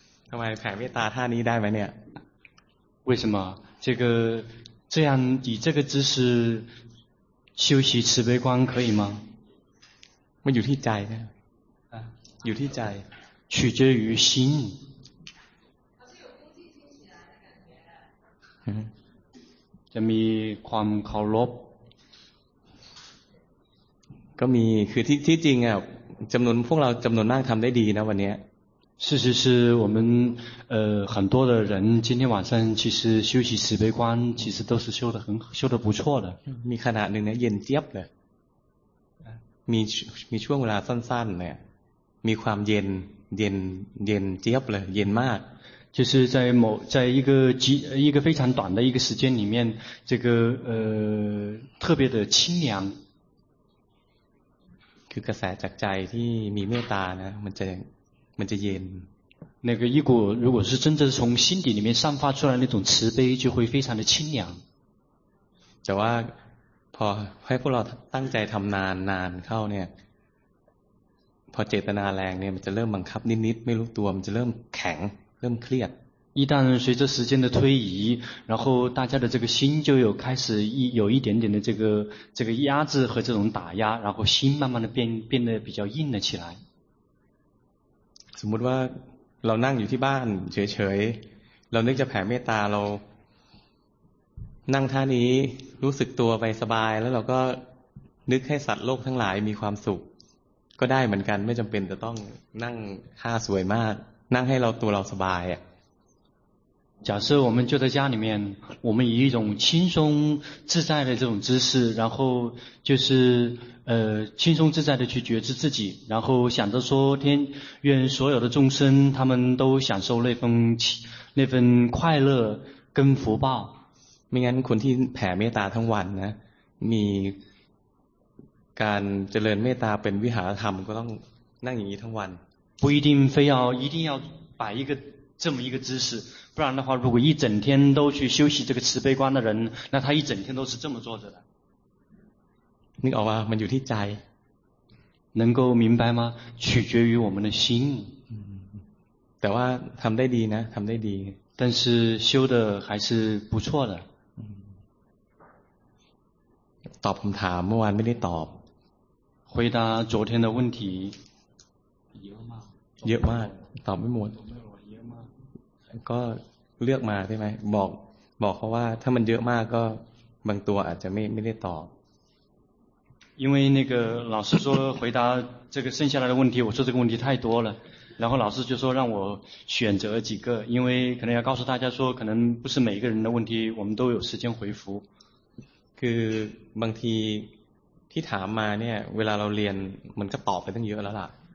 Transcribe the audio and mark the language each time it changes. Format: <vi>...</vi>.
<th>ทำไมแผ่เมตตาท่านี้ได้ไหมเนี่ย？</th> <zh>为什么这个这样以这个姿势修习慈悲观可以吗？</zh> <th>มันอยู่ที่ใจนะอยู่ที่ใจ</th> <zh>取决于心嗯</zh> <th>จะมีความเคารพ ก็มีคือที่จริงอ่ะจำนวนพวกเราจำนวนมากทำได้ดีนะวันนี้</th> <zh>事实是我们很多的人今天晚上其实修习慈悲观其实都是修得很修得不错的</zh> <th>มีขนาดหนึ่งเนี่ยเย็นเจี๊ยบเลยมีช่วงเวลาสั้นๆเนี่ยมีความเย็นเย็นเย็นเจี๊ยบเลยเย็นมาก</th> <zh>就是在某在一个极一个非常短的一个时间里面这个特别的清凉</zh> <th>คือกระแสจากใจที่มีเมตตานะมันจะเย็น</th> <zh>那个一股如果是真正从心底里面散发出来那种慈悲就会非常的清凉</zh> <th>แต่ว่าพอให้พวกเราตั้งใจทำนานนานเข้าเนี่ยพอเจตนาแรงเนี่ยมันจะเริ่มบังคับนิดๆไม่รู้ตัวมันจะเริ่มแข็งเริ่มเครียด</th> <zh>一旦随着时间的推移然后大家的这个心就有开始有一点点的这个压制和这种打压然后心慢慢的变得比较硬了起来</zh> <th>สมมติว่าเรานั่งอยู่ที่บ้านเฉยๆเรานึกจะแผ่เมตตาเรานั่งท่านี้รู้สึกตัวไปสบายแล้วเราก็นึกให้สัตว์โลกทั้งหลายมีความสุขก็ได้เหมือนกันไม่จำเป็นจะต้องนั่งท่าสวยมากนั่งให้เราตัวเราสบายอ่ะ</th> <zh>假设我们就在家里面我们以一种轻松自在的这种姿势然后就是轻松自在的去觉知自己然后想着说天愿所有的众生他们都享受那份快乐跟福报</zh> <th>ไม่งั้นคนที่แผ่เมตตาทั้งวันนะมีการเจริญเมตตาเป็นวิหารธรรมก็ต้องนั่งอย่างนี้ทั้งวัน</th> <zh>不一定非要一定要摆一个这么一个姿势不然的话如果一整天都去休息这个慈悲观的人那他一整天都是这么坐着的</zh> <th>นึกออกว่ามันอยู่ที่ใจ</th> <zh>能够明白吗取决于我们的心</zh> <th>แต่ว่าทำได้ดีนะทำได้ดี</th> <zh>但是修的还是不错的</zh> <th>ตอบคำถามเมื่อวานไม่ได้ตอบ</th> <zh>回答昨天的问题</zh> <th>เยอะมากตอบไม่หมดก็เลือกมาใช่ไหมบอกเขาว่าถ้ามันเยอะมากก็บางตัวอาจจะไม่ได้ตอบ</th> <zh>因为那个老师说回答这个剩下来的问题我说这个问题太多了然后老师就说让我选择几个因为可能要告诉大家说可能不是每一个人的问题我们都有时间回复</zh> <th>คือบางทีที่ถามมาเนี่ยเวลาเราเรียนมันก็ตอบไปตั้งเยอะแล้วล่ะ</th>